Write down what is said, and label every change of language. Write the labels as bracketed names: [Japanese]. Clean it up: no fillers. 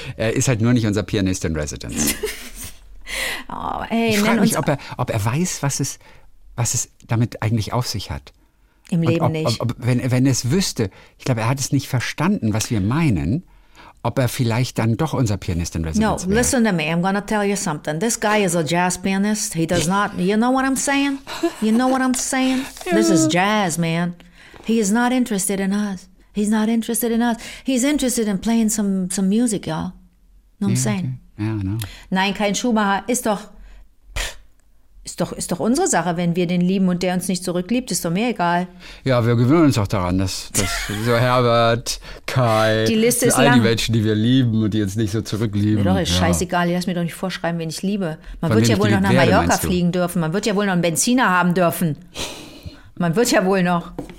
[German] Er ist halt nur nicht unser Pianist in Residence. Oh, ey, ich frage mich, ob er weiß, was es damit eigentlich auf sich hat. Im Leben nicht. Wenn er es wüsste, ich glaube, er hat es nicht verstanden, was wir meinen, ob er vielleicht dann doch unser Pianist in Residence [English] No, [German] wäre. [English] Listen to me, I'm gonna tell you something. This guy is a jazz pianist. He does not, you know what I'm saying? You know what I'm saying? This is jazz, man. He is not interested in us. He's not interested in us. He's interested in playing some music, y'all. You know what I'm saying? Okay. Yeah, I know. [German] Nein, kein Schumacher, ist doch unsere Sache, wenn wir den lieben und der uns nicht zurückliebt, ist doch mir egal. Ja, wir gewöhnen uns auch daran, dass so Herbert, Kai, die Liste ist [English] all [German] lang. Die Menschen, die wir lieben und die uns nicht so zurücklieben. Mir doch ist scheißegal, lass mir doch nicht vorschreiben, wen ich liebe. Man wird ja wohl noch nach Mallorca fliegen dürfen, man wird ja wohl noch einen Benziner haben dürfen. Man wird ja wohl noch.